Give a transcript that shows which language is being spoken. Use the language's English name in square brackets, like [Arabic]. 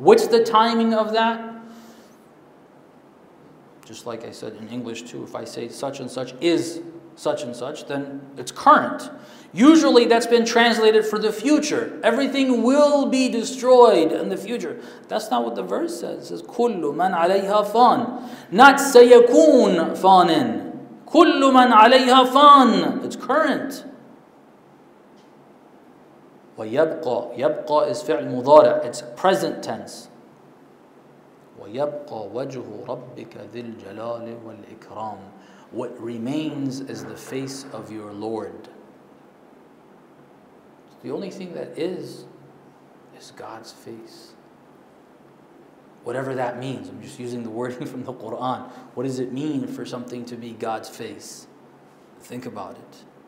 [English] What's the timing of that? Just like I said in English too, if I say such and such is such and such, then it's current. Usually that's been translated for the future. Everything will be destroyed in the future. That's not what the verse says. It says, [Arabic] كل من عليها فان. Not سيكون فانن. كل من عليها فان. [English] It's current. [Arabic] ويبقى. يبقى is فعل مضارع. [English] It's present tense. [Arabic] ويبقى وجه ربك ذي الجلال والإكرام. [English] What remains is the face of your Lord. The only thing that is God's face. Whatever that means, I'm just using the wording from the Quran. What does it mean for something to be God's face? Think about it.